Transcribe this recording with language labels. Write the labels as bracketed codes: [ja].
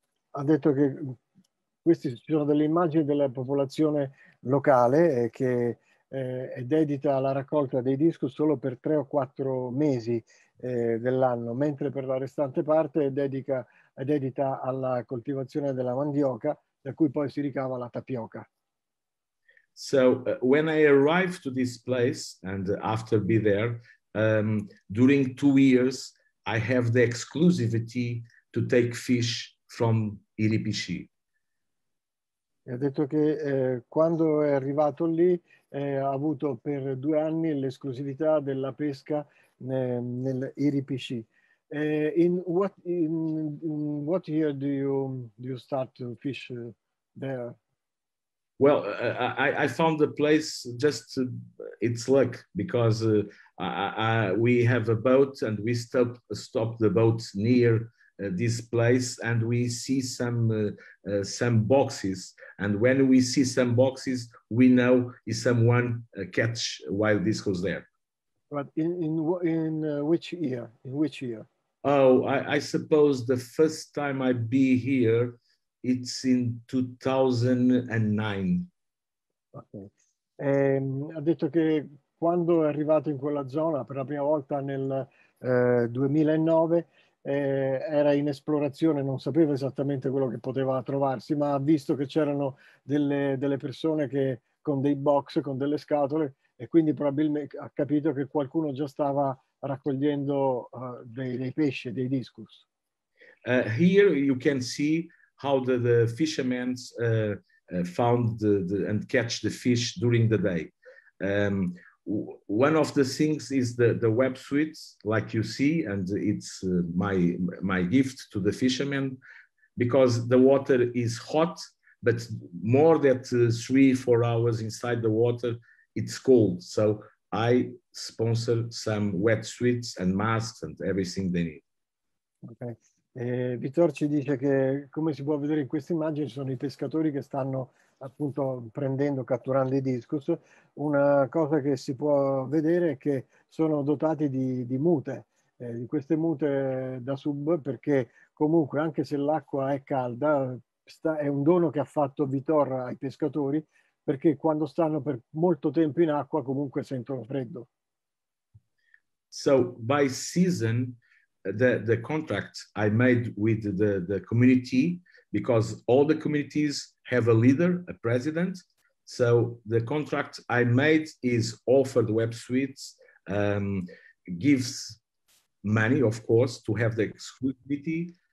[it] ha detto che queste sono delle immagini della popolazione locale che è dedita alla raccolta dei dischi solo per 3 o 4 mesi dell'anno, mentre per la restante parte è dedita alla coltivazione della mandioca, da cui poi si ricava la tapioca. [en] So when I arrived to this place and after be there, during 2 years, I have the exclusivity to take fish from Iripishi. [it] Ha detto che quando è arrivato lì ha avuto per 2 anni l'esclusività della pesca nel Iripishi. [en] In what year do you start to fish there? Well, I found the place just it's luck because we have a boat and we stop the boat near this place and we see some boxes and when we see some boxes we know if someone catch wild discos there. But in which year? Oh, I suppose the first time I be here, it's in 2009. Okay. [it] Ha detto che quando è arrivato in quella zona per la prima volta nel 2009, era in esplorazione, non sapeva esattamente quello che poteva trovarsi, ma ha visto che c'erano delle persone che con dei box, con delle scatole, e quindi probabilmente ha capito che qualcuno già stava raccogliendo dei pesci, dei discus. [en] Here you can see how the fishermen found and catch the fish during the day. One of the things is the web suits, like you see, and it's my gift to the fishermen, because the water is hot, but more than 3-4 hours inside the water, it's cold. So I sponsor some wetsuits and masks and everything they need. Okay. [it] Vittor ci dice che, come si può vedere in queste immagini, sono i pescatori che stanno appunto prendendo, catturando i discus. Una cosa che si può vedere è che sono dotati di mute, di queste mute da sub, perché comunque anche se l'acqua è calda, è un dono che ha fatto Vittor ai pescatori, perché quando stanno per molto tempo in acqua comunque sentono freddo. [en] So by season the contract I made with the community, because all the communities have a leader, a president. So the contract I made is offered web suites, gives money, of course, to have the exclusivity.